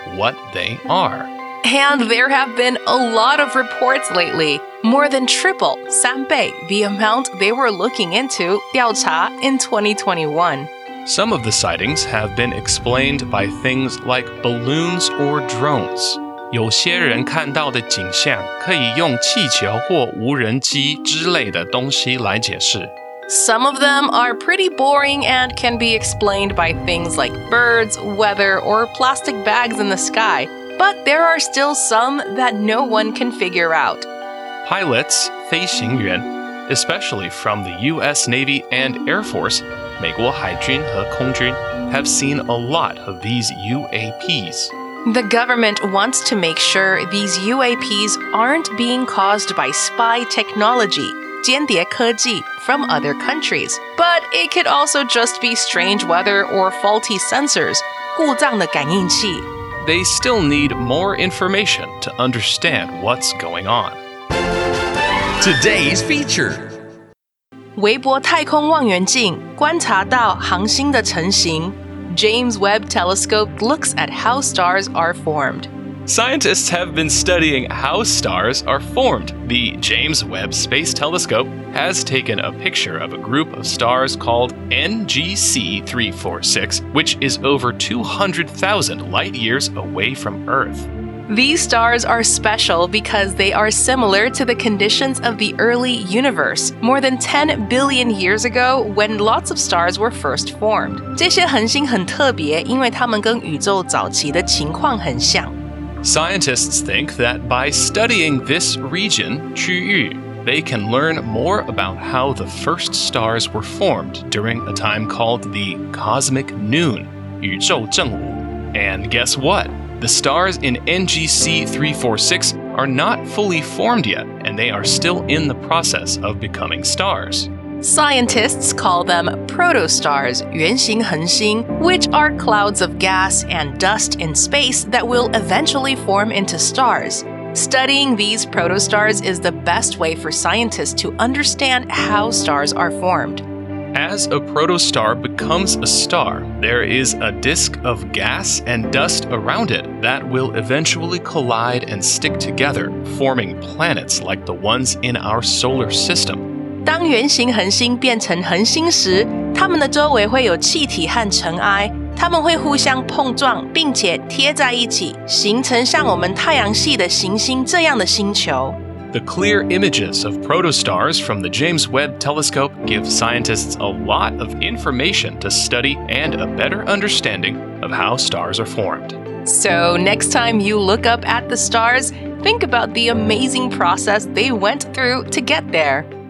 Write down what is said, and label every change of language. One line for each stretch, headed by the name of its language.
English: what they are. And there have been a lot of reports lately, more than triple,
Chinese: 三倍,
English: the amount they were looking into,
Chinese: 调查,
English: in 2021. Some of the sightings have been explained by things like balloons or drones.
Chinese: 有些人看到的景象可以用气球或无人机之类的东西来解释。
English: Some of them are pretty boring and can be explained by things like birds, weather, or plastic bags in the sky. But there are still some that no one can figure out. Pilots,
Chinese: 飞行员,
English: especially from the US Navy and Air Force,
Chinese: 美国海军和空军
English: have seen a lot of these UAPs. The government wants to make sure these UAPs aren't being caused by spy technology,
Chinese: 间谍科技,
English: from other countries. But it could also just be strange weather or faulty sensors,
Chinese: 故障的感应器.
English: They still need more information to understand what's going on. Today's feature.
Chinese: 韋伯太空望遠鏡觀察到恆星的成型。
English: James Webb Telescope looks at how stars are formed. Scientists have been studying how stars are formed. The James Webb Space Telescope has taken a picture of a group of stars called NGC 346, which is over 200,000 light years away from Earth. These stars are special because they are similar to the conditions of the early universe, more than 10 billion years ago when lots of stars were first formed.
Chinese: 这些恒星很特别，因为它们跟宇宙早期的情况很像。
English: Scientists think that by studying this region,
Chinese: 区域,
English: they can learn more about how the first stars were formed during a time called the Cosmic Noon,
Chinese: 宇宙正午。
English: And guess what? The stars in NGC 346 are not fully formed yet, and they are still in the process of becoming stars. Scientists call them protostars,
Chinese: 原型恒星,
English: which are clouds of gas and dust in space that will eventually form into stars. Studying these protostars is the best way for scientists to understand how stars are formed. As a protostar becomes a star, there is a disk of gas and dust around it that will eventually collide and stick together, forming planets like the ones in our solar system.
Chinese: 当圆形恒星变成恒星时，它们的周围会有气体和尘埃，它们会互相碰撞，并且贴在一起，形成像我们太阳系的行星这样的星球。
English: The clear images of protostars from the James Webb Telescope give scientists a lot of information to study and a better understanding of how stars are formed. So, next time you look up at the stars, think about the amazing process they went through to get there.